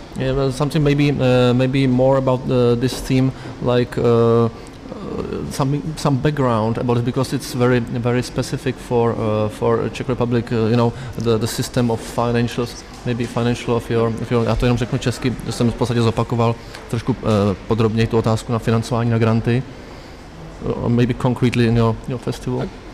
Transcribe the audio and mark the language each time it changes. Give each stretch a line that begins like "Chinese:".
English: Yeah, something maybe more about this theme, like some background about it, because it's very very specific for Czech Republic. You know, the system of financials, maybe financial of your.
Czech: Já to jenom řeknu česky, že jsem v podstatě zopakoval trošku podrobněji tu otázku na financování, na granty.
English: Maybe concretely in your festival.